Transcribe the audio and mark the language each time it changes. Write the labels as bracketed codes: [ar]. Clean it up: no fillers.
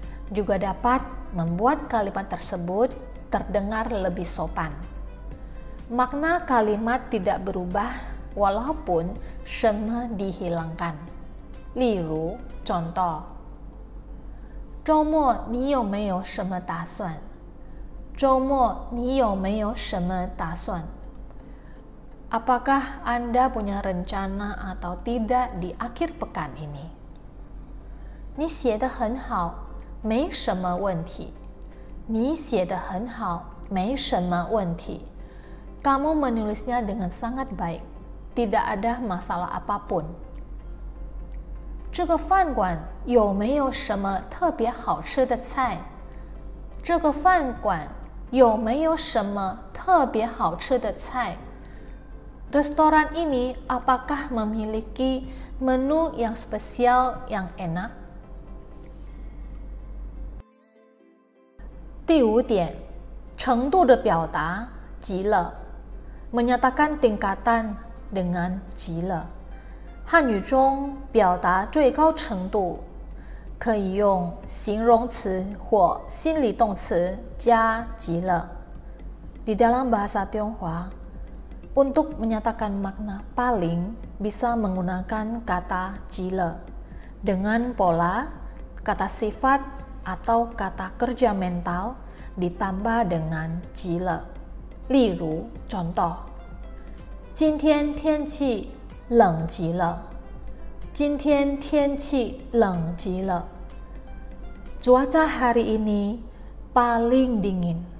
[id] Juga dapat membuat kalimat tersebut terdengar lebih sopan. Makna kalimat tidak berubah walaupun 什么 dihilangkan. [zh] 例如, contoh. 周末你有没有什么打算?周末你有没有什么打算? [id] Apakah anda punya rencana atau tidak di akhir pekan ini? [zh] 你写得很好，没什么问题。你写得很好，没什么问题。 [id] Kamu menulisnya dengan sangat baik. Tidak ada masalah apapun. [zh] 这个饭馆有没有什么特别好吃的菜? 这个饭馆有没有什么特别好吃的菜? [id] Restoran ini apakah memiliki menu yang spesial yang enak? [zh] 第五点，程度的表达，极了。 [id] Menyatakan tingkatan dengan 极了。 [zh] 汉语中表达最高程度可以用形容词或心理动词加极了。 [id] Di dalam bahasa Tionghoa, untuk menyatakan makna paling bisa menggunakan kata 极了 dengan pola, kata sifat atau kata kerja mental ditambah dengan 极了。 [zh] 例如 contoh, 今天天气冷极了。今天天气冷极了。 [id] Cuaca hari ini paling dingin.